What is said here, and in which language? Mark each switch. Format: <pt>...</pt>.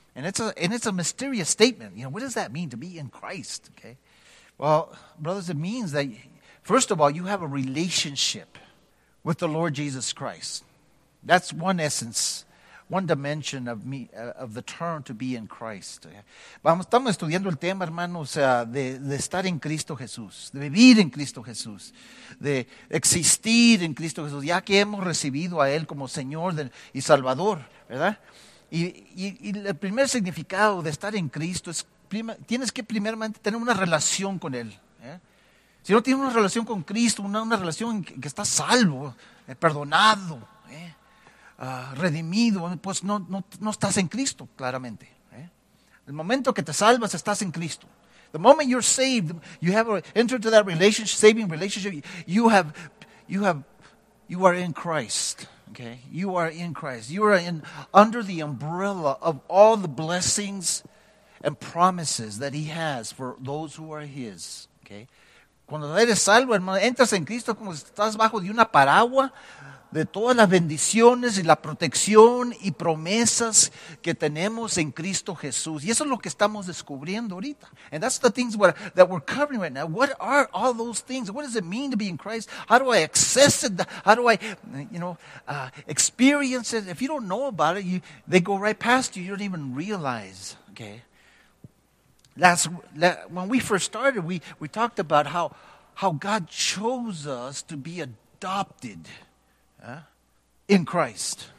<en>And it's a mysterious statement. You know, what does that mean, to be in Christ, okay? Well, brothers, it means that, first of all, you have a relationship with the Lord Jesus Christ. That's one essence, one dimension of me of the term to be in Christ.</en> <es>Vamos, estamos estudiando el tema, hermanos, de estar en Cristo Jesús, de vivir en Cristo Jesús, de existir en Cristo Jesús, ya que hemos recibido a Él como Señor y Salvador, ¿verdad? Y el primer significado de estar en Cristo es, tienes que primeramente tener una relación con Él. Si no tienes una relación con Cristo, una relación en que estás salvo, perdonado, redimido, pues no estás en Cristo, claramente. El momento que te salvas, estás en Cristo.</es> <en>The moment you're saved, you have entered into that relationship, saving relationship, you are in Christ. Okay, you are in Christ. You are in under the umbrella of all the blessings and promises that He has for those who are His. Okay.</en> <es>Cuando eres salvo, hermano, entras en Cristo como si estás bajo de una paraguas de todas las bendiciones y la protección y promesas que tenemos en Cristo Jesús. Y eso es lo que estamos descubriendo ahorita.</es> <en>And that's the things that we're covering right now. What are all those things? What does it mean to be in Christ? How do I access it? How do I, you know, experience it? If you don't know about it, they go right past you. You don't even realize, okay? When we first started, we talked about how God chose us to be adopted in Christ.</en>